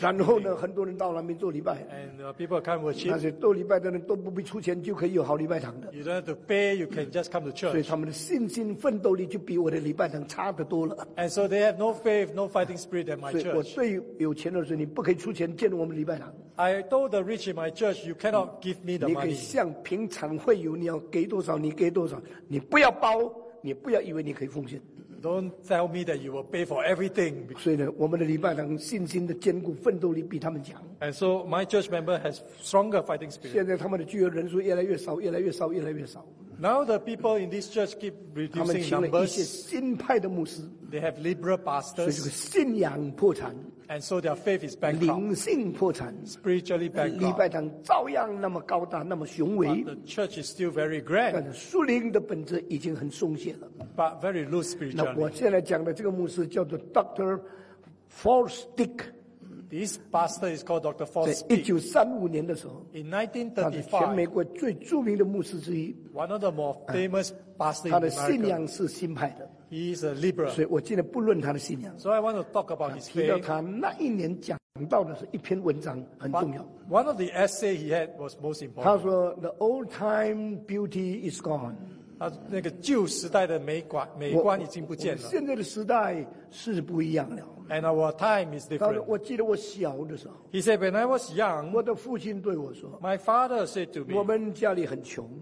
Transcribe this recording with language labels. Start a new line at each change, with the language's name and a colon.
Chinese: 然后呢，很多人到那边做礼拜。
English: And people come worship.
Chinese: 那些做礼拜的人都不必出钱就可以有好礼拜堂的。
English: You don't have to pay. You can just come to church.
Chinese: 所以他们的信心奋斗力就比我的礼拜堂差得多了。
English: And so they have no faith, no fighting spirit at my church.
Chinese: 所以我最有钱的时候，你不可以出钱建我们礼拜堂。
English: I told the rich in my church, you cannot give me the money.
Chinese: 你可以像平常会有，你要给多少，你给多少，你不要包。你不要以为你可以奉献。
English: Don't tell me that you will pay for everything.
Chinese: 所以呢，我们的礼拜堂信心的坚固，奋斗力比他们强。
English: And so my church member has stronger fighting spirit.
Chinese: 现在他们的聚会人数越来越少，越来越少，越来越少。
English: Now the people in this church keep reducing numbers.
Chinese: 他们请了一些新派的牧师。
English: They have liberal pastors.
Chinese: 所以这个信仰破产。
English: And so their faith is bankrupt.
Chinese: 灵性破产。
English: Spiritually bankrupt.
Chinese: 礼拜堂照样那么高大，那么雄伟。
English: But the church is still very grand.
Chinese: 但属灵的本质已经很松懈了。
English: But very loose spiritually.
Chinese: 那我现在讲的这个牧师叫做 Dr.
English: Fosdick. This pastor is called Dr. Fosdick.
Chinese: 在1935年的时候。
English: In 1935.
Chinese: 他是全美国最著名的牧师之一。
English: One of the more famous pastors in America.
Chinese: 他的信仰是新派的。
English: He is a liberal.
Chinese: 所以我今天不论他的信仰。
English: So I want to talk about his faith.
Chinese: 提到他那一年讲到的是一篇文章很重要。
English: But one of the essays he had was most important.
Chinese: 他说
English: ,the old time beauty is gone.
Chinese: 他那个旧时代的美观已经不见了。现在的时代是不一样了。
English: And our time is different.
Chinese: 我记得我小的时候。
English: He said, when I was young,
Chinese: 我的父亲对我说,
English: my father said to me,
Chinese: 我们家里很穷,